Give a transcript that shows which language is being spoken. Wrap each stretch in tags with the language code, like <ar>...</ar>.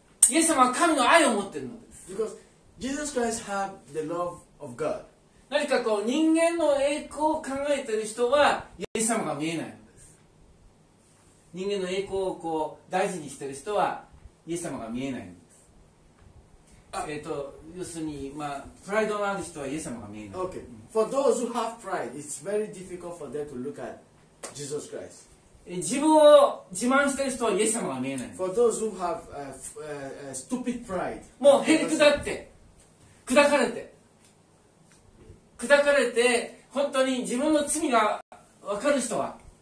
<ja>イエス様は神の愛を持っているのです。</ja> <en>Because Jesus Christ has the love of God.</en> <ja>何かこう人間の栄光を考えている人はイエス様が見えないのです。人間の栄光をこう大事にしている人はイエス様が見えないのです。要するに、まあ、プライドのある人はイエス様が見えない。</ja> <en>Okay. For those who have pride, it's very difficult for them to look at Jesus Christ.</en> <ja>自分を自慢している人はイエス様が見えない。</ja> <en>For those who have stupid pride,</en> <ja>もうへりくだって、砕かれて、砕かれて、本当に自分の罪が分かる人は。</ja>